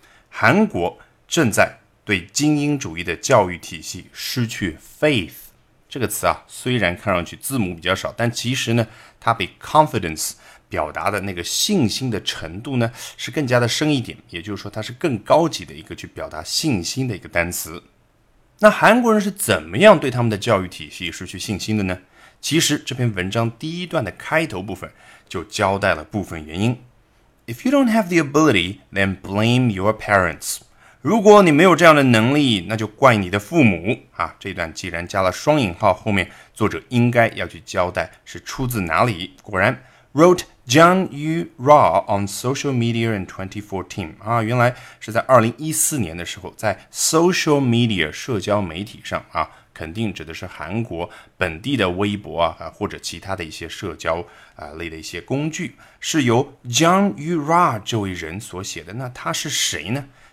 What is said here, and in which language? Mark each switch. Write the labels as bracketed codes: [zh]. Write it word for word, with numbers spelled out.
[zh] 韩国正在对精英主义的教育体系失去 faith 这个词啊，虽然看上去字母比较少，但其实呢，它比 confidence 表达的那个信心的程度呢，是更加的深一点，也就是说它是更高级的一个去表达信心的一个单词。那韩国人是怎么样对他们的教育体系失去信心的呢？其实这篇文章第一段的开头部分就交代了部分原因。 [en] If you don't have the ability, then blame your parents. [zh] 如果你没有这样的能力，那就怪你的父母。啊，这段既然加了双引号，后面作者应该要去交代是出自哪里。 [en] 果然 wrote John Yu Ra on social media in twenty fourteen. [zh] 啊，原来是在二零一四年的时候，在 social media 社交媒体上啊，肯定指的是韩国本地的微博 啊, 啊或者其他的一些社交啊类的一些工具，是由 John Yu Ra 这位人所写的。那他是谁呢？